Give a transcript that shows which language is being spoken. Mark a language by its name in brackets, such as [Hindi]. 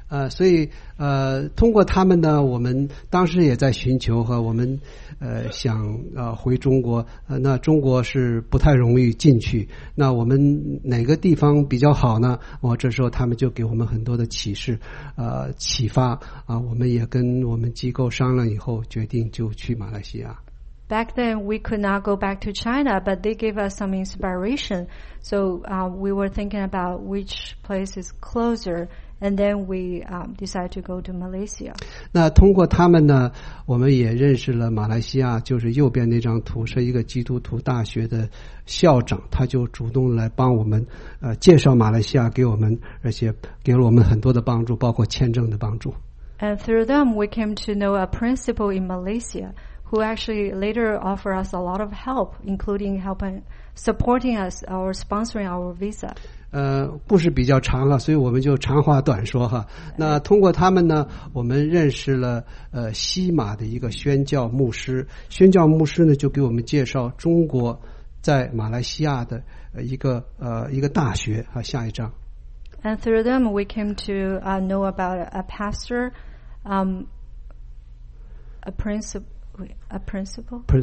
[Chinese] 所以通过他们呢，我们当时也在寻求和我们想回中国，那中国是不太容易进去，那我们哪个地方比较好呢？我这时候他们就给我们很多的启示启发我们也跟我们机构商量以后决定就去马来西亚。 [English] Back then, we could not go back to China, but they gave us some inspiration. So we were thinking about which place is closer, and then we decided to go to Malaysia. [Chinese] 那通过他们呢，我们也认识了马来西亚，就是右边那张图，是一个基督徒大学的校长，他就主动来帮我们介绍马来西亚给我们，而且给了我们很多的帮助，包括签证的帮助。 [English] And through them, we came to know a principal in Malaysia. Who actually later offer us a lot of help, including helping, supporting us or sponsoring our visa. [Chinese] 故事比较长了，所以我们就长话短说哈。那通过他们呢，我们认识了西马的一个宣教牧师。宣教牧师呢，就给我们介绍中国在马来西亚的一个大学啊。下一章。 [English] And through them, we came to know about a pastor, a principal,